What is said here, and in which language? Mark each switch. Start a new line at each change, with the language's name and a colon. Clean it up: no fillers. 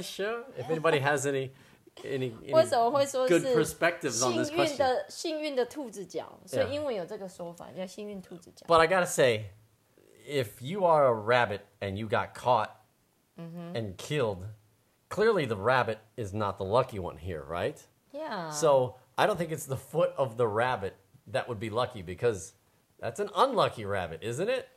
English: Sure, if anybody has any good perspectives on this question.
Chinese: 幸运的兔子脚,所以英文有这个说法,叫幸运兔子脚。
English: But I gotta say, if you are a rabbit and you got caught and killed... Clearly, the rabbit is not the lucky one here, right? Yeah. So, I don't think it's the foot of the rabbit that would be lucky, because that's an unlucky rabbit, isn't it?